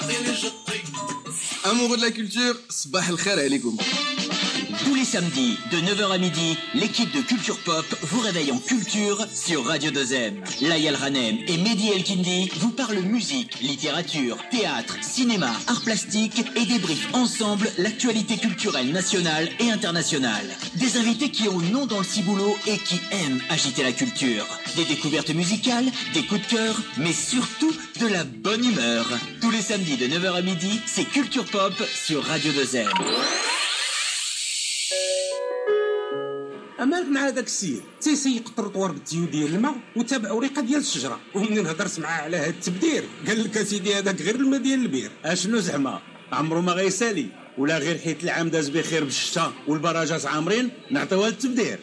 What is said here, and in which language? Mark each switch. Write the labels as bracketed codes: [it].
[fr] De la culture, [ar] صباح الخير عليكم. [fr] Tous les samedis de 9h à midi, l'équipe de Culture Pop vous réveille en culture sur Radio 2M. Layal Ranem et Mehdi Elkindi vous parlent musique, littérature, théâtre, cinéma, arts plastiques et débriefent ensemble l'actualité culturelle nationale et internationale. Des invités qui ont nom dans le ciboulot et qui aiment agiter la culture. Des découvertes musicales, des coups de cœur, mais surtout de la bonne humeur. Tous les samedis de 9h à midi, c'est Culture Pop sur Radio 2M. [ar] مالك مع هذاك السيد تيسيق الطرطوار بالتيو ديال الماء وتابع اوريقه ديال الشجره ومنين هضرت معاه على هذا التبدير قال لك اسيدي هذاك غير الماء ديال البير اشنو زعما عمرو ما غيسالي ولا غير حيت العام داز بخير بالشتا والبراجات عامرين نعطيوها التبدير